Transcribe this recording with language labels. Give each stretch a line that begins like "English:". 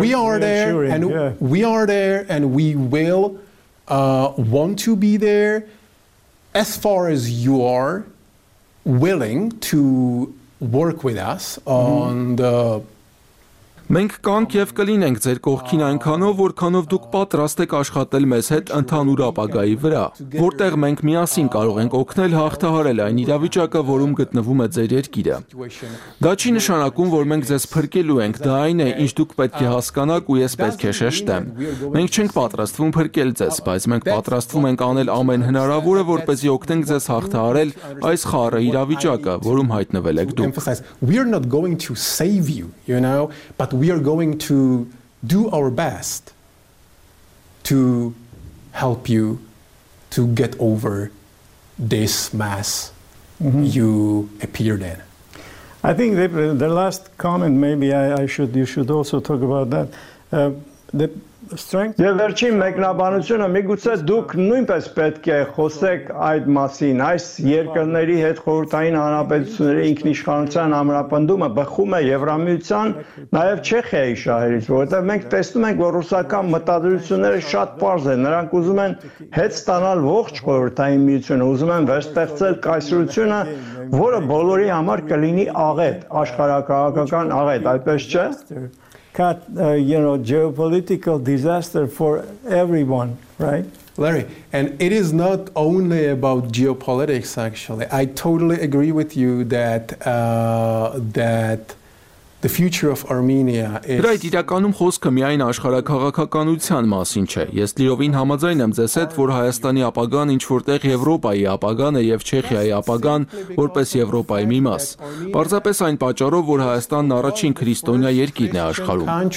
English: We are there and we are there and we will want to be there as far as you are willing to work with us on the
Armenian: Մենք կանք եւ կլինենք ձեր կողքին այնքանով, որքանով դուք պատրաստ եք աշխատել մեզ հետ ընդհանուր ապագայի վրա, որտեղ մենք միասին կարող ենք օգնել հաղթահարել այն իրավիճակը, որում գտնվում է ձեր երկիրը։ Դա չի նշանակում, որ մենք ձեզ փրկելու ենք, դա այն է, ինչ դուք պետք է հասկանաք ու ես պետք է շեշտեմ։ Մենք չենք պատրաստվում փրկել ձեզ, բայց մենք պատրաստվում ենք անել ամեն հնարավորը, որպեսզի օգնենք ձեզ հաղթահարել այս խառը իրավիճակը, որում հայտնվել եք դուք։
English: But we are going to do our best to help you to get over this mess you appeared in. I think the last comment, maybe you should also talk about that. The strength.
Armenian: Եվ վերջին մեկնաբանությունը, միգուցե դուք նույնպես պետք է խոսեք այդ մասին, այս երկրների հետ խորհրդային հանրապետությունների ինքնիշխանության համրապնդումը բխում է Եվրամիության, նաև Չեխիայի շահերից, որովհետև մենք տեսնում ենք, որ ռուսական մտադրությունները շատ պարզ են, նրանք ուզում են հետ ստանալ ողջ խորհրդային միությունը, ուզում են վերստեղծել կայսրությունը, որը բոլորի համար կլինի աղետ, աշխարհակաղակական աղետ, այդպես չէ՞։
English: Cut, you know, geopolitical disaster for everyone, right? Larry, and it is not only about geopolitics, actually. I totally agree with you that that the future of Armenia is...
Armenian: Դրա իրականում խոսքը միայն աշխարհակաղակականության մասին չէ։ Ես լիովին համաձայն եմ ձեզ հետ, որ Հայաստանի ապագան ինչ-որտեղ Եվրոպայի ապագան է եւ Չեխիայի ապագան որպես Եվրոպայի մի մաս։ Պարզապես այն պատճառով, որ Հայաստանն առաջին քրիստոնյա երկիրն է աշխարհում։